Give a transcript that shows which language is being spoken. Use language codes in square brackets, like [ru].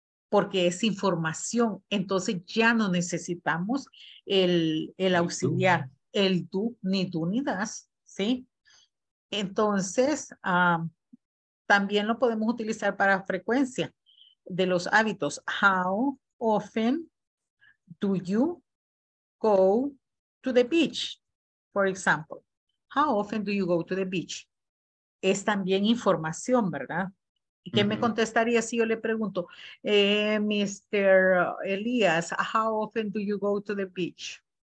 [es] Porque es información, entonces ya no necesitamos el auxiliar, el do, ni das, ¿sí? Entonces, también lo podemos utilizar para frecuencia de los hábitos. [en] How often do you go to the beach? For example, how often do you go to the beach? [es] Es también información, ¿verdad? ¿Y qué me contestaría si yo le pregunto, Mr. [en] Elias, how often do you go to the beach?